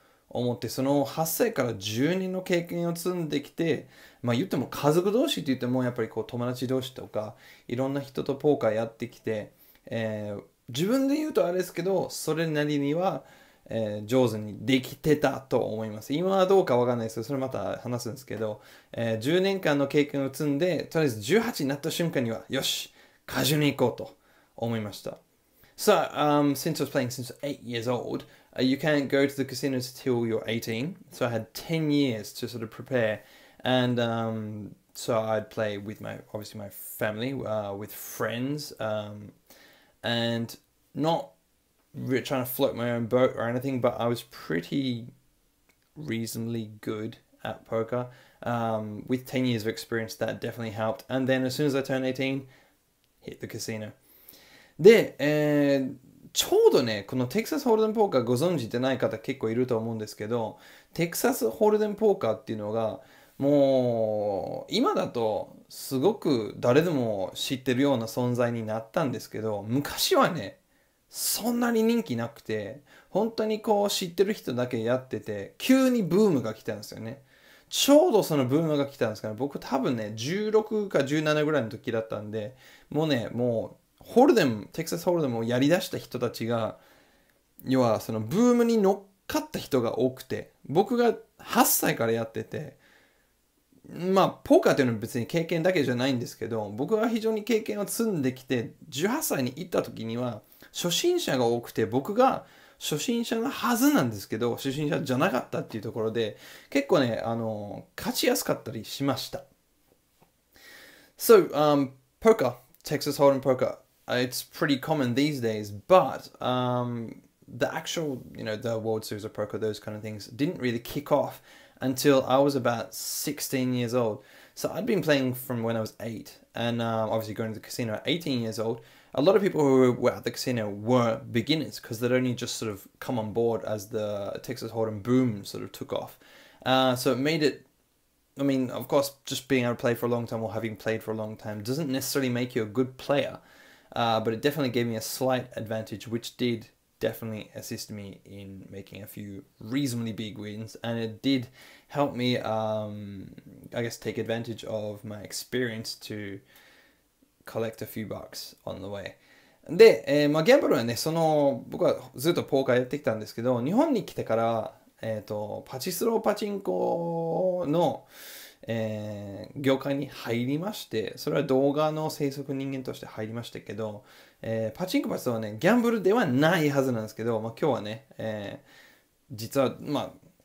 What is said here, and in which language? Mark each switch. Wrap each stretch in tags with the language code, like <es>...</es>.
<ja>思って、その8歳から10年の経験を積んできて、まあ言っても家族同士って言ってもやっぱりこう友達同士とかいろんな人とポーカーやってきて、自分で言うとあれですけど、それなりには上手にできてたと思います。今はどうかわかんないですけど、それまた話すんですけど、10年間の経験を積んで、とりあえず18になった瞬間にはよしカジノに行こうと思いました。</ja> <en>So, since I was playing since 8 years old, you can't go to the casinos till you're 18. So I had 10 years to sort of prepare, and so I'd play with my obviously my family, with friends, and not really trying to float my own boat or anything. But I was pretty reasonably good at poker. With 10 years of experience, that definitely helped. And then as soon as I turned 18, hit the casino.</en> <ja>で、ちょうどね、このテキサスホールデンポーカーご存知でない方結構いると思うんですけど、テキサスホールデンポーカーっていうのが、もう、今だとすごく誰でも知ってるような存在になったんですけど、昔はね、そんなに人気なくて、本当にこう知ってる人だけやってて、急にブームが来たんですよね。ちょうどそのブームが来たんですから、僕多分ね、16か17ぐらいの時だったんで、もうね、もう、ホールデン、テキサスホールデンをやり出した人たちが、要はそのブームに乗っかった人が多くて、僕が8歳からやってて、まあ、ポーカーというのは別に経験だけじゃないんですけど、僕は非常に経験を積んできて、18歳に行った時には、初心者が多くて、僕が初心者のはずなんですけど、初心者じゃなかったっていうところで、結構ね、勝ちやすかったりしました。 So, ポーカー、テキサスホールデンポーカー。</ja> <en>It's pretty common these days, but the actual, the World Series of Poker, those kind of things, didn't really kick off until I was about 16 years old. So I'd been playing from when I was 8, and obviously going to the casino at 18 years old. A lot of people who were at the casino were beginners because they'd only just sort of come on board as the Texas Hold'em boom sort of took off. So it made it. I mean, of course, just being able to play for a long time or having played for a long time doesn't necessarily make you a good player. But it definitely gave me a slight advantage, which did definitely assist me in making a few reasonably big wins. And it did help me, I guess, take advantage of my experience to collect a few bucks on the way.</en> <ja>で、まあ、ギャンブルはね、僕はずっとポーカーやってきたんですけど、日本に来てから、パチスロパチンコの、業界に入りまして、それは動画の制作人間として入りましたけど、パチンコパスはね、ギャンブルではないはずなんですけど、まあ、今日はね、実は、まあ、</ja>